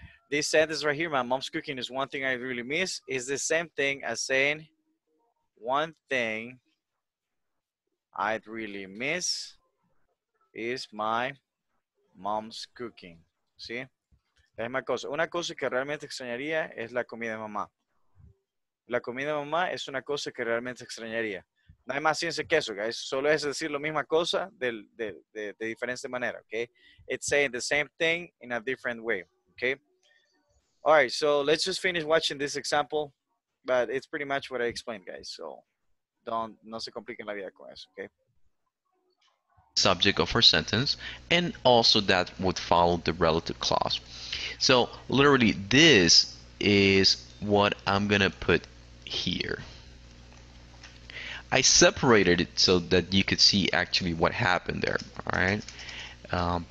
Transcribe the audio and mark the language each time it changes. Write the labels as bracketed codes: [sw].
[en] This sentence right here, my mom's cooking is one thing I really miss, is the same thing as saying, one thing I'd really miss is my mom's cooking, ¿sí? [es] La misma cosa. Una cosa que realmente extrañaría es la comida de mamá. La comida de mamá es una cosa que realmente extrañaría. No hay más ciencia que eso, guys. Solo es decir la misma cosa de diferente manera, ¿ok? [en] It's saying the same thing in a different way, ¿ok? All right, so let's just finish watching this example, but it's pretty much what I explained, guys. [es] So no se compliquen la vida con eso, ¿ok? [en] Subject of our sentence, and also that would follow the relative clause. So literally this is what I'm gonna put here. I separated it so that you could see actually what happened there, all right?